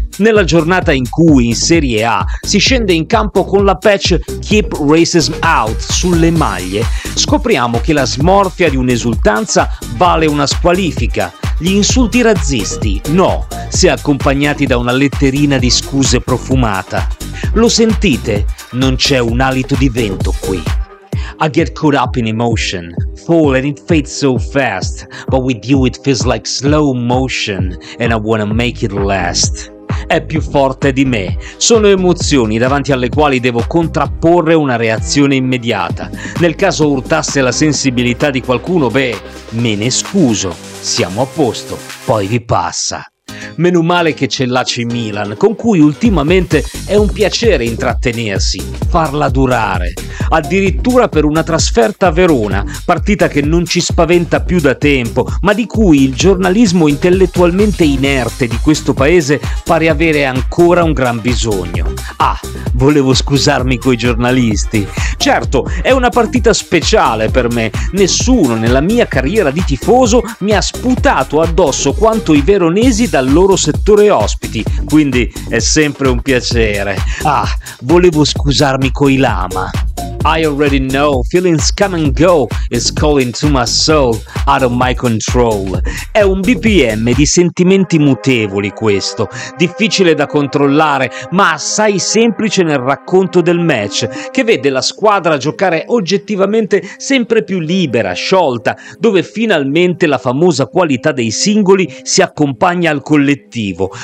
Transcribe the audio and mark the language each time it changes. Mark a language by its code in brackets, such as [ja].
[it] Nella giornata in cui in Serie A si scende in campo con la patch Keep Racism Out sulle maglie, scopriamo che la smorfia di un'esultanza vale una squalifica. Gli insulti razzisti, no, se accompagnati da una letterina di scuse profumata. Lo sentite? Non c'è un alito di vento qui. [en] I get caught up in emotion, fall and it fades so fast, but with you it feels like slow motion and I wanna make it last. [it] È più forte di me, sono emozioni davanti alle quali devo contrapporre una reazione immediata. Nel caso urtasse la sensibilità di qualcuno, beh, me ne scuso, siamo a posto, poi vi passa. Meno male che c'è l'AC Milan, con cui ultimamente è un piacere intrattenersi, farla durare. Addirittura per una trasferta a Verona, partita che non ci spaventa più da tempo, ma di cui il giornalismo intellettualmente inerte di questo paese pare avere ancora un gran bisogno. Ah, volevo scusarmi coi giornalisti. Certo, è una partita speciale per me. Nessuno nella mia carriera di tifoso mi ha sputato addosso quanto i veronesi dal loro settore ospiti, quindi è sempre un piacere. Ah, volevo scusarmi coi Lama. [en] I already know, feelings come and go, it's calling to my soul, out of my control. [it] È un BPM di sentimenti mutevoli questo, difficile da controllare, ma assai semplice nel racconto del match, che vede la squadra giocare oggettivamente sempre più libera, sciolta, dove finalmente la famosa qualità dei singoli si accompagna al collettivo.